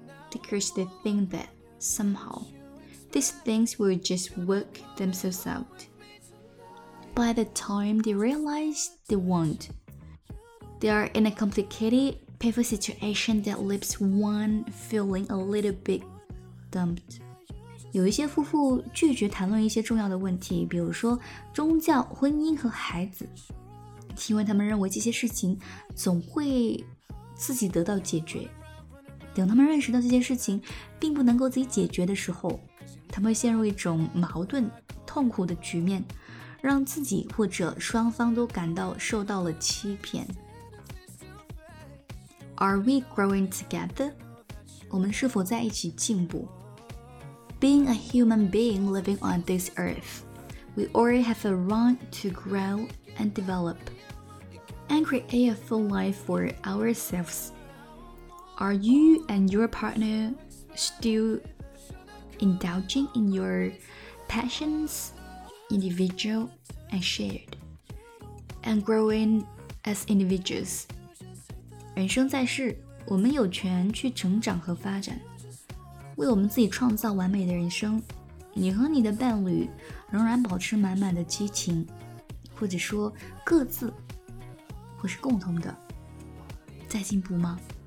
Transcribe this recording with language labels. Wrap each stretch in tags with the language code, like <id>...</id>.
<en>Because they think that, somehow, these things will just work themselves out. By the time they realize they won't, they are in a complicated, painful situation that leaves one feeling a little bit dumped.</en> <zh>有一些夫妇拒绝谈论一些重要的问题，比如说宗教、婚姻和孩子，因为他们认为这些事情总会自己得到解决。等他们认识到这些事情并不能够自己解决的时候，他们会陷入一种矛盾、痛苦的局面，让自己或者双方都感到受到了欺骗。</zh> <en>Are we growing together?</en> <zh>我们是否在一起进步？</zh> <en>Being a human being living on this earth, we already have a right to grow and develop and create a full life for ourselves. Are you and your partner still indulging in your passions, individual and shared, and growing as individuals?</en> <zh>人生在世，我们有权去成长和发展。为我们自己创造完美的人生，你和你的伴侣仍然保持满满的激情，或者说各自或是共同的在进步吗？</zh>